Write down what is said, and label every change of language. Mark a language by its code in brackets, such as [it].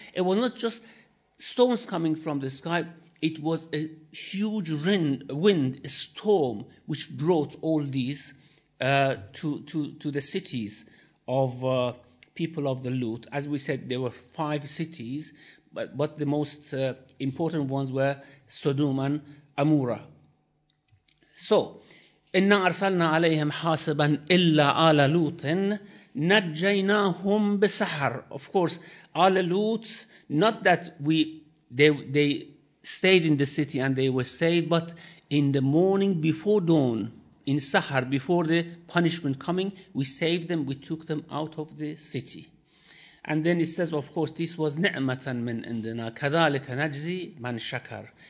[en] It was not just stones coming from the sky. It was a huge wind, a storm, which brought all these to the cities of people of the Lut. As we said, there were five cities, but the most important ones were Sodom and Amurah. [ar] So, إنا أرسلنا عليهم حاسبا إلا آل لوط نجيناهم بسحر. [en] Of course, آل لوط, not that they stayed in the city and they were saved, but in the morning before dawn, in Sahar, before the punishment coming, we saved them, we took them out of the city. And then it says, of course, this was [ar] ni'matan min indana, kadhalika najzi man shakar.